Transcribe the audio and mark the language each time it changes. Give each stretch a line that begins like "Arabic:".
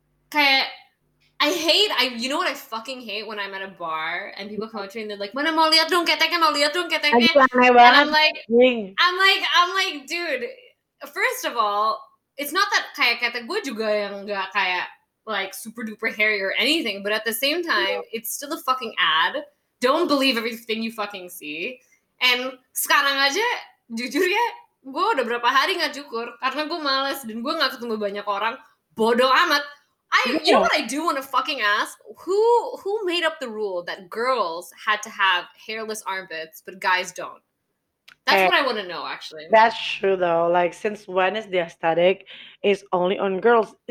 English: Kayak, you know what I fucking hate when I'm at a bar and people come up to me and they're like,
Indonesian: mana mau lihat dong keteknya.
English: I'm like, dude, first of all, it's not that
Indonesian: kayak ketek gue juga yang gak kayak,
English: like super duper hairy or anything, but at the same time, it's still a fucking ad. Don't believe everything you fucking see.
Indonesian: And sekarang aja, jujur ya, gue udah berapa hari nggak cukur karena gue malas dan gue nggak ketemu banyak orang. Bodoh amat.
English: You know what I do want to fucking ask? Who made up the rule that girls had to have hairless armpits but guys don't? That's what I want to know, actually. That's true though. Like, since when is the aesthetic is only on girls?